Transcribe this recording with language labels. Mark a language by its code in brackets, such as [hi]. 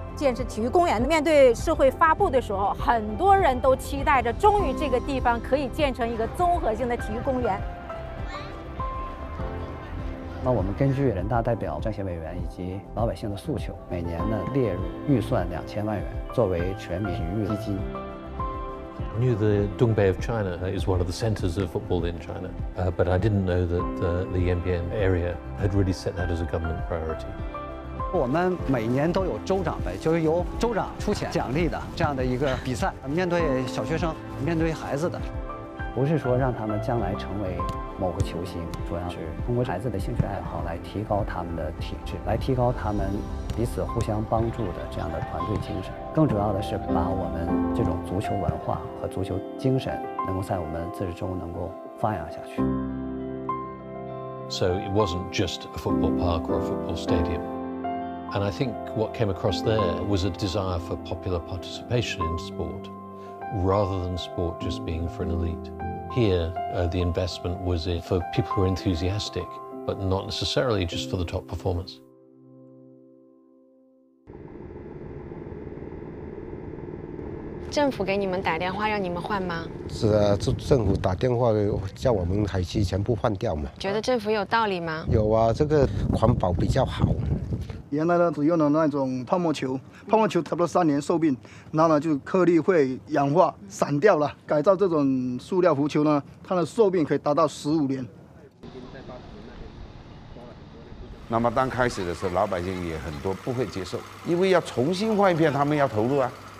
[zh] 建设体育公园面对社会发布的时候，很多人都期待着终于这个地方可以建成一个综合性的体育公园。那我们根据人大代表、政协委员以及老百姓的诉求，每年呢列入预算2000万元作为全民体育基金。 [en] I knew the Dongbei of China is one of the centers of football in China, but I didn't know that the Yanbian area had really set that as a government priority. [zh] 我们每年都有州长杯，就是由州长出钱奖励的这样的一个比赛，面对小学生，面对孩子的。不是说让他们将来成为某个球星，主要是通过孩子的兴趣爱好来提高他们的体质，来提高他们彼此互相帮助的这样的团队精神。更主要的是把我们这种足球文化和足球精神能够在我们自治州能够发扬下去。 [en] So it wasn't just a football park or a football stadium. And I think what came across there was a desire for popular participation in sport. Rather than sport just being for an elite. Here, the investment was in for people who are enthusiastic, but not necessarily just for the top performers. The government gave you a call to change? Yes, the government gave us a call to change our money. Do you think the government has a reason? Yes, this is the best environment. [zh] 原来呢，只用了那种泡沫球，泡沫球差不多3年寿命，然后呢就颗粒会氧化散掉了。改造这种塑料浮球呢，它的寿命可以达到15年。那么刚开始的时候，老百姓也很多不会接受，因为要重新换一片，他们要投入啊。